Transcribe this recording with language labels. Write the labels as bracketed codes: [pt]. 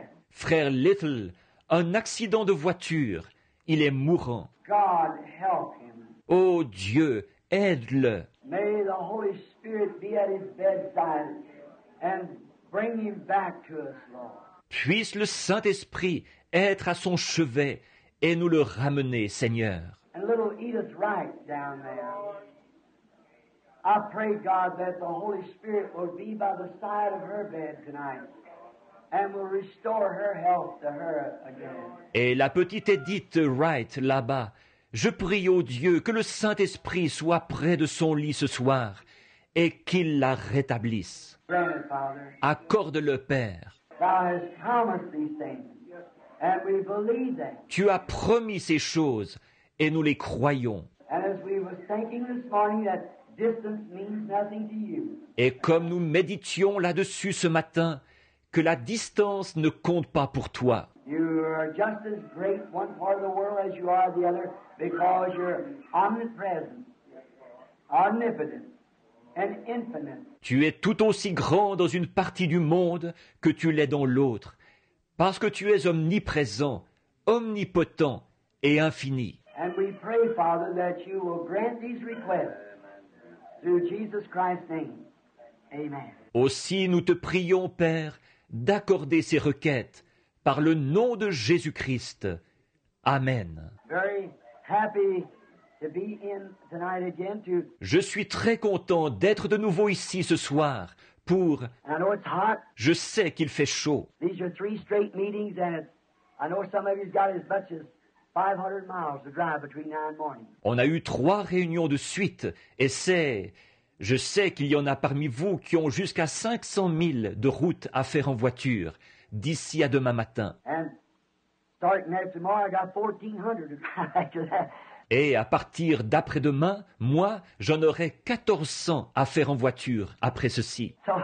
[fr] Frère Little, un accident de voiture, il est mourant. [en] God help him. [fr] Oh Dieu, aide-le. [en] May the Holy Spirit be at his bedside and bring him back to us, Lord. [fr] Puisse le Saint-Esprit être à son chevet et nous le ramener, Seigneur. [en] And little Edith Wright down there. I pray, God, that the Holy Spirit will be by the side of her bed tonight and will restore her health to her again. [fr] Et la petite Edith Wright là-bas, je prie au Dieu que le Saint-Esprit soit près de son lit ce soir et qu'il la rétablisse. Accorde-le, Père. [en] Thou hast promised these things, and we believe them. [fr] Tu as promis ces choses, et nous les croyons. [en] And as we were thinking this morning that distance means nothing to you. [fr] Et comme nous méditions là-dessus ce matin, que la distance ne compte pas pour toi. [en] You are just as great one part of the world as you are the other, because you're omnipresent, omnipotent, and infinite. [fr] Tu es tout aussi grand dans une partie du monde que tu l'es dans l'autre, parce que tu es omniprésent, omnipotent et infini. [en] And we pray, Father, that you will grant these requests through Jesus Christ's name. Amen. [fr] Aussi, nous te prions, Père, d'accorder ces requêtes par le nom de Jésus-Christ. Amen. [en] Very happy. To be in tonight again to... [fr] Je suis très content d'être de nouveau ici ce soir pour... [en] And I know it's hot. [fr] Je sais qu'il fait chaud. [en] These are three straight meetings and I know some of you've got as much as 500 miles to drive between now and morning. [fr] On a eu trois réunions de suite et c'est... Je sais qu'il y en a parmi vous qui ont jusqu'à 500 milles de route à faire en voiture d'ici à demain matin. [en] And starting after tomorrow, I got 1400 to drive after that. [fr] Et à partir d'après-demain, moi, j'en aurai 1400 à faire en voiture après ceci.